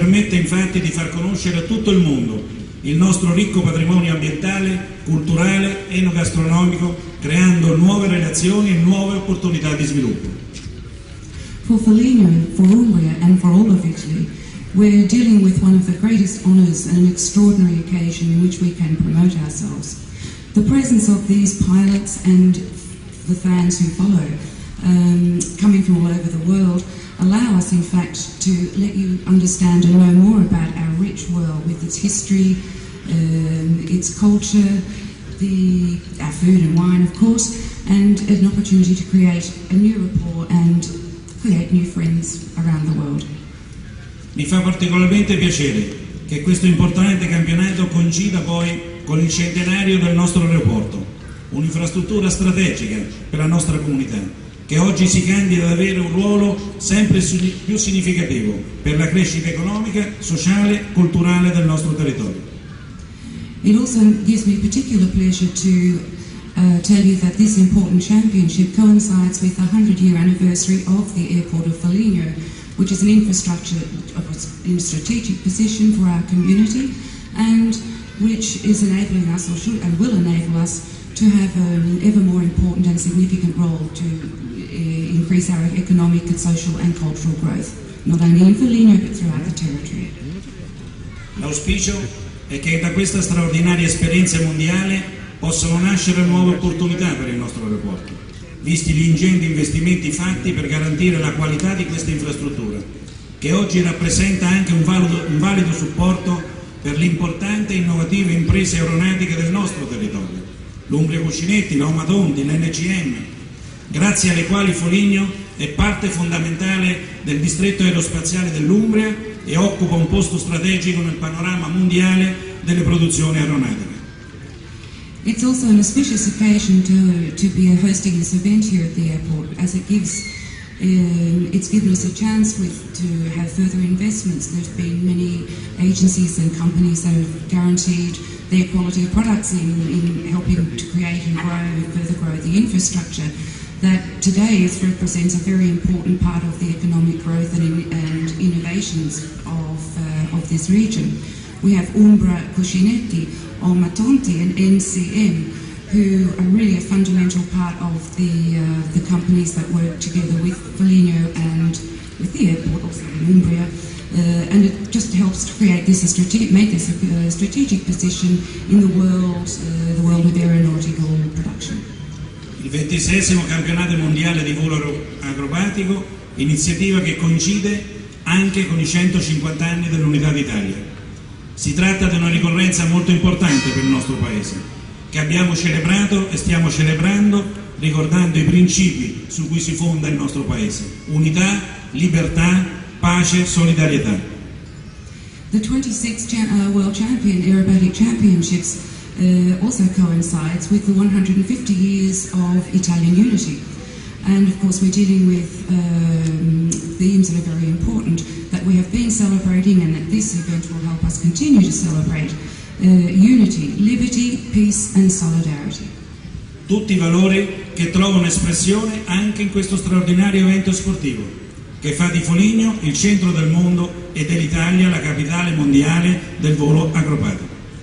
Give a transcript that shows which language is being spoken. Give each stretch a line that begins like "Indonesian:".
Italian: infatti di far conoscere a tutto il mondo il nostro ricco patrimonio ambientale, culturale e enogastronomico, creando nuove relazioni e nuove opportunità di sviluppo.
English: For Foligno, for Umbria and for all of Italy, we're dealing with one of the greatest honors and an extraordinary occasion in which we can promote ourselves. The presence of these pilots and the fans who follow, coming from all over the world, allow us in fact to let you understand and know more about our rich world with its history, its culture, our food and wine of course, and an opportunity to create a new rapport and create new friends around the world.
Italian: Mi fa particolarmente piacere che questo importante campionato coincida poi con il centenario del nostro aeroporto, un'infrastruttura strategica per la nostra comunità, che oggi si candida ad avere un ruolo sempre più significativo per la crescita economica, sociale, culturale del nostro territorio.
English: It also gives me particular pleasure to tell you that this important championship coincides with the 100-year anniversary of the airport of Foligno, which is an infrastructure of in strategic position for our community and which is enabling us or should and will enable us to have an ever more important and significant role to increase our economic and social and cultural growth, not only in Foligno but throughout the territory.
Italian: L'auspicio è che da questa straordinaria esperienza mondiale possano nascere nuove opportunità per il nostro aeroporto, visti gli ingenti investimenti fatti per garantire la qualità di questa infrastruttura, che oggi rappresenta anche un valido supporto per l'importante e innovativa impresa aeronautica del nostro territorio, l'Umbria Cuscinetti, l'Aumatondi, l'NCM, grazie alle quali Foligno è parte fondamentale del distretto aerospaziale dell'Umbria e occupa un posto strategico nel panorama mondiale delle produzioni aeronautiche.
English: It's also an auspicious occasion to be hosting this event here at the airport, as it's given us a chance to have further investments. There have been many agencies and companies that have guaranteed their quality of products in helping to create and grow and further grow the infrastructure. That today it represents a very important part of the economic growth and innovations of this region. We have Umbria Cuscinetti, Aumatondi and NCM, who are really a fundamental part of the companies that work together with Foligno and with the airport, also in Umbria. And it just helps to create this strategic position in the world of aeronautical production.
Italian: Il 26esimo campionato mondiale di volo acrobatico, iniziativa che coincide anche con i 150 anni dell'Unità d'Italia. Si tratta di una ricorrenza molto importante per il nostro paese, che abbiamo celebrato e stiamo celebrando ricordando i principi su cui si fonda il nostro paese: unità, libertà, pace, solidarietà.
English: The 26th World Champion Aerobatic Championships also coincides with the 150 years of Italian unity. And of course we're dealing with themes that are very important that we have been celebrating and that this event will help us continue to celebrate unity, liberty, peace and solidarity.
Italian: Tutti i valori che trovano espressione anche in questo straordinario evento sportivo che fa di Foligno il centro del mondo e dell'Italia la capitale mondiale del volo acrobatico.